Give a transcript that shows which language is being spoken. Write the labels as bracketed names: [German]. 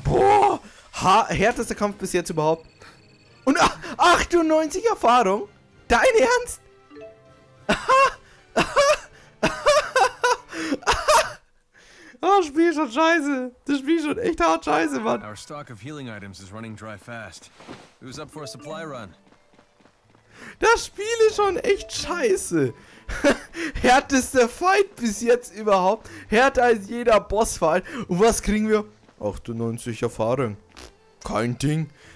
[German] Boah, härtester Kampf bis jetzt überhaupt. Und 98 Erfahrung? Dein Ernst? Oh, das Spiel ist schon scheiße. Das Spiel ist schon echt hart scheiße, Mann. [English] Our stock of healing items is running dry fast. Who's up for a supply run? [German] Das Spiel ist schon echt scheiße. Härtester Fight bis jetzt überhaupt. Härter als jeder Bossfight. Und was kriegen wir? 98 Erfahrung. Kein Ding.